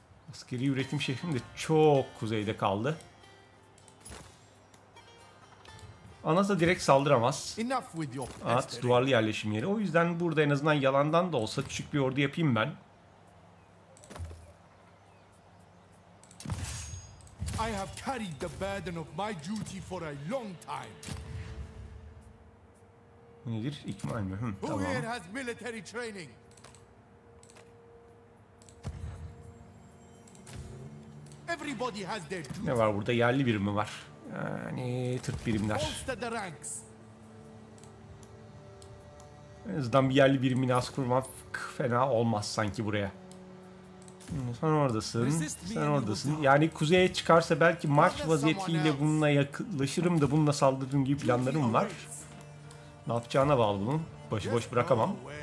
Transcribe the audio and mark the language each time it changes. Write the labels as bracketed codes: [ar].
[tr] Askeri üretim şehrim de çok kuzeyde kaldı. Anas'a direkt saldıramaz. Evet, duvarlı yerleşim yeri. O yüzden burada en azından yalandan da olsa küçük bir ordu yapayım ben. [en] I have carried the burden of my duty for a long time. [tr] Nedir? İkmal mi? Tamam. [en] Who here has military training? Everybody has their duty. [tr] Ne var burada? Yerli birimi var. Yani Türk birimler. En azından bir yerli birimini az kurmak fena olmaz sanki buraya. Sen oradasın, sen oradasın. Yani kuzeye çıkarsa belki marş vaziyetiyle bununla yaklaşırım da bununla saldırdığım gibi planlarım var. Ne yapacağına bağlı bunun. Başıboş bırakamam.